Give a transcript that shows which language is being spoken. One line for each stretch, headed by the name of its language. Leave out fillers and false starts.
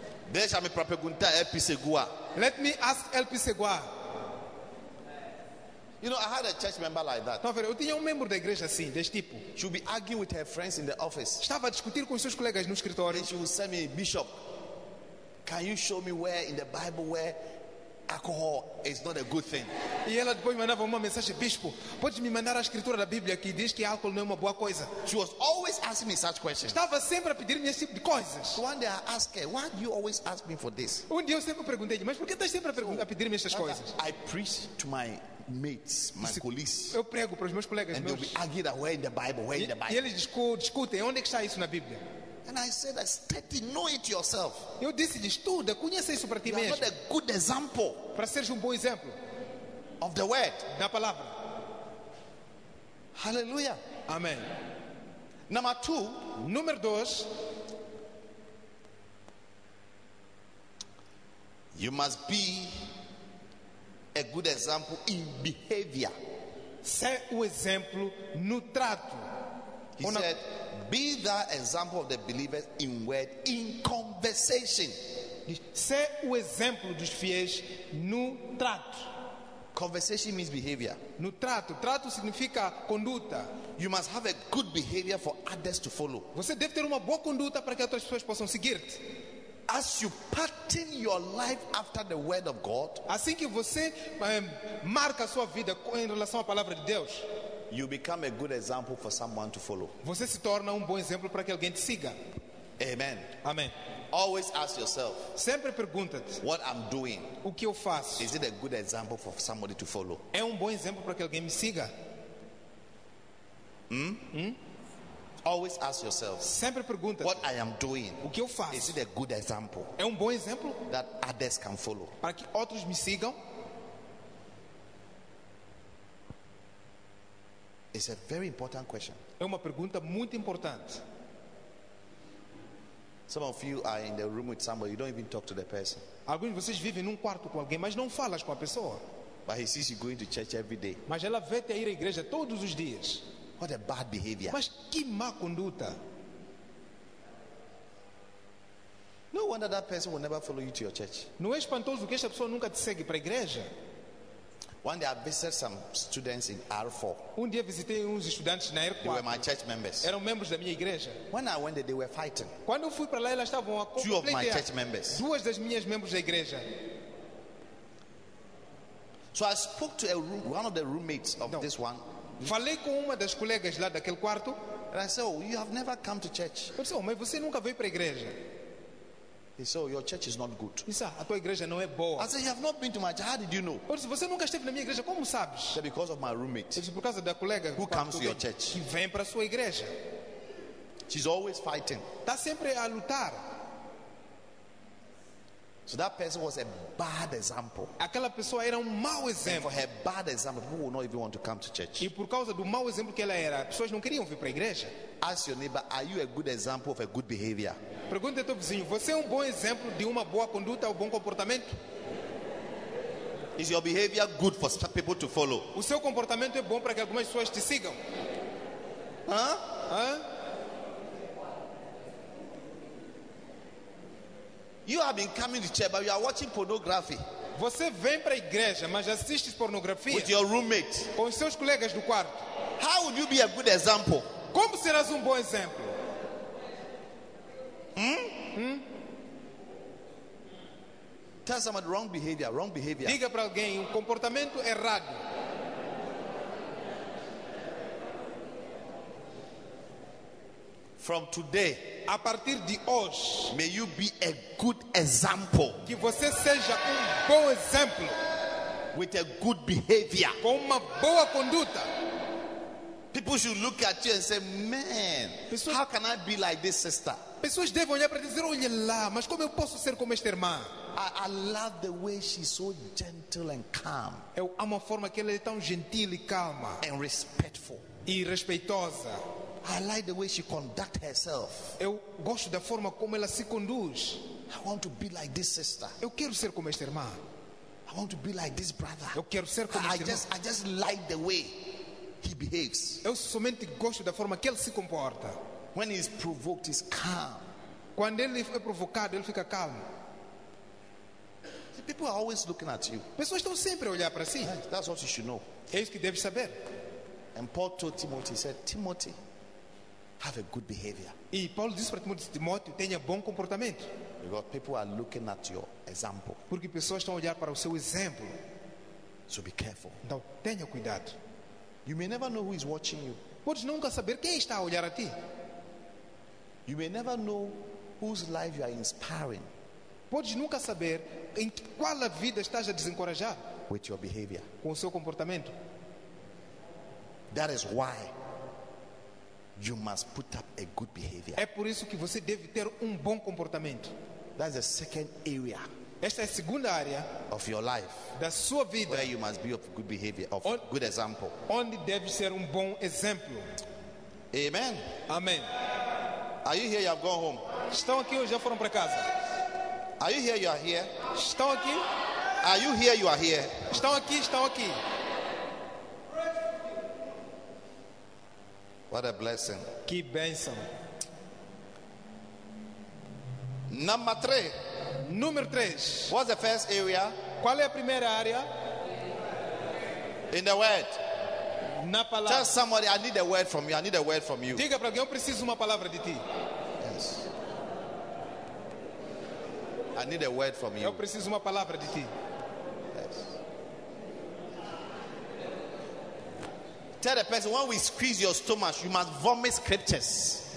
Portuguese: Deixa me para perguntar LP Segua.
English: Let me ask LP Segua. You know, I had a church member like that.
Portuguese: Não, eu tinha membro da igreja assim, deste tipo.
English: She would be arguing with her friends in the office.
Portuguese: Estava a discutir com seus colegas no escritório.
English: And she would say to me, bishop, can you show me where in the Bible where alcohol is not a good thing?
Portuguese: E ela depois mandava uma mensagem, bispo, pode me mandar a escritura da Bíblia que diz que álcool não é uma boa coisa?
English: She was always asking me such questions.
Portuguese: Estava sempre a pedir-me esse tipo de coisas.
English: One day I asked her, why do you always ask me for this?
Portuguese: Um dia eu sempre perguntei, mas por que estás sempre a pedir-me essas coisas?
English: I preach to my mates, my colleagues.
Portuguese: Eu prego para os meus colegas,
English: and they'll be arguing where in the Bible, where in the Bible.
Portuguese: E eles discutem, onde está isso na Bíblia?
English: And I said, study, know it yourself.
Portuguese: Eu disse, estuda, conhece isso para ti mesmo.
English: You are not a good example.
Portuguese: Para seres bom exemplo.
English: Of the word.
Portuguese: Da palavra.
English: Hallelujah.
Portuguese: Amen.
English: Number two.
Portuguese: Número dois.
English: You must be a good example in behavior.
Portuguese: Ser o exemplo no trato.
English: He said, be that example of the believers in word, in conversation.
Portuguese: Ser o exemplo dos fiéis no trato.
English: Conversation means behavior.
Portuguese: No trato. Trato significa conduta.
English: You must have a good behavior for others to follow.
Portuguese: Você deve ter uma boa conduta para que outras pessoas possam seguir-te.
English: As you pattern your life after the word of God,
Portuguese: assim que você marca a sua vida em relação à palavra de Deus,
English: you become a good example for someone to follow.
Portuguese: Você se torna bom exemplo para que alguém te siga.
English: Amen.
Portuguese: Amen.
English: Always ask yourself,
Portuguese: sempre pergunta-te,
English: what I'm doing,
Portuguese: o que eu faço,
English: is it a good example for somebody to follow?
Portuguese: É bom exemplo para que alguém me siga?
English: Always ask yourself,
Portuguese: sempre pergunta,
English: what I am doing,
Portuguese: o que eu faço,
English: is it a good example?
Portuguese: É bom exemplo
English: that others can follow?
Portuguese: Para que outros me sigam?
English: It's a very important question.
Portuguese: É uma pergunta muito importante.
English: Some of you are in the room with somebody, you don't even talk to the person.
Portuguese: Alguns de vocês vivem num quarto com alguém, mas não falas com a pessoa.
English: But he sees you going to church every day.
Portuguese: Mas ela vê-te a ir à igreja todos os dias.
English: What a bad behavior.
Portuguese: Mas que má conduta.
English: No wonder that person will never follow you to your church.
Portuguese: Não é espantoso que esta pessoa nunca te segue para a igreja?
English: One day I visited some students in R4.
Portuguese: Um dia visitei uns estudantes na R4.
English: They were my church members.
Portuguese: Eram membros da minha igreja.
English: When I went there, they were fighting.
Portuguese: Quando eu fui para lá, elas estavam a
English: Two of my church members.
Portuguese: Duas das minhas membros da igreja.
English: So I spoke to one of the roommates of this one.
Portuguese: Falei com uma das colegas lá daquele quarto.
English: And I said, oh, you have never come to church.
Portuguese: Eu disse, mas você nunca veio para a igreja.
English: He said, your church is not good.
Portuguese: Isso, a tua igreja não é boa.
English: I said, you have not been to my church. How did you know?
Portuguese: Eu disse, você nunca esteve na minha igreja. Como sabes?
English: Said, because of my roommate.
Portuguese: Eu disse, por causa da colega
English: who comes to your church.
Portuguese: Que vem para sua igreja.
English: She's always fighting.
Portuguese: Tá sempre a lutar.
English: So that person was a bad example.
Portuguese: Aquela pessoa era mau exemplo.
English: And for her bad example, people would not even want to come to church.
Portuguese: E por causa do mau exemplo que ela era, pessoas não queriam vir para a igreja.
English: Ask your neighbor, are you a good example of a good behavior?
Portuguese: Pergunta ao teu vizinho, você é bom exemplo de uma boa conduta ou bom comportamento?
English: Is your behavior good for some people to follow?
Portuguese: O seu comportamento é bom para que algumas pessoas te sigam? Hã? Hã?
English: You have been coming to church, but you are watching pornography.
Portuguese: Você vem para a igreja, mas assiste pornografia.
English: With your roommate.
Portuguese: Com seus colegas do quarto.
English: How would you be a good example?
Portuguese: Como serás bom exemplo?
English: Tell somebody wrong behavior, wrong behavior.
Portuguese: Diga para alguém comportamento errado.
English: From today,
Portuguese: a partir de hoje,
English: may you be a good example.
Portuguese: Que você seja bom exemplo.
English: With a good behavior.
Portuguese: Com uma boa conduta.
English: People should look at you and say, man,
Portuguese: pessoas,
English: how can I be like this sister?
Portuguese: Pessoas devem olhar para dizer, olha lá, mas como eu posso ser como esta irmã?
English: I love the way she's so gentle and calm.
Portuguese: Eu amo a forma que ela é tão gentil e calma.
English: And respectful.
Portuguese: E respeitosa.
English: I like the way she conducts herself.
Portuguese: Eu gosto da forma como ela se conduz.
English: I want to be like this sister.
Portuguese: Eu quero ser como esta irmã.
English: I want to be like this brother.
Portuguese: Eu quero ser como esta irmã.
English: I just like the way he behaves.
Portuguese: Eu somente gosto da forma que ele se comporta.
English: When he's provoked, he's calm.
Portuguese: Quando ele é provocado, ele fica calmo.
English: See, people are always looking at you.
Portuguese: Pessoas estão sempre a olhar para si.
English: That's what you should know.
Portuguese: É isso que deve saber.
English: And Paul told Timothy, he said, Timothy, have a good behavior.
Portuguese: E Paulo disse para Timóteo, tenha bom comportamento.
English: Because people are looking at your example.
Portuguese: Porque pessoas estão a olhar para o seu exemplo.
English: So be careful.
Portuguese: Então, tenha cuidado.
English: You may never know who is watching you.
Portuguese: Podes nunca saber quem está a olhar a ti.
English: You may never know whose life you are inspiring.
Portuguese: Podes nunca saber em qual a vida estás a desencorajar.
English: With your behavior.
Portuguese: Com o seu comportamento.
English: That is why you must put up a good behavior.
Portuguese: É por isso que você deve ter bom comportamento.
English: That's the second area.
Portuguese: Esta é a segunda área
English: of your life.
Portuguese: Da sua vida.
English: Where you must be of good behavior, of good example.
Portuguese: Onde deve ser bom exemplo.
English: Amen.
Portuguese: Amen.
English: Are you here? You have gone home.
Portuguese: Estão aqui ou já foram para casa?
English: Are you here? You are here.
Portuguese: Estão aqui.
English: Are you here? You are here.
Portuguese: Estão aqui. Estão aqui.
English: What a blessing.
Portuguese: Que bênção.
English: Number 3.
Portuguese: Número 3.
English: What's the first area?
Portuguese: Qual é a primeira área?
English: In the word.
Portuguese: Na palavra.
English: Tell somebody, I need a word from you. I need a word from you.
Portuguese: Diga para alguém, eu preciso uma palavra de ti.
English: Yes. I need a word from you.
Portuguese: Eu preciso uma palavra de ti.
English: Tell the person, when we squeeze your stomach, you must vomit scriptures.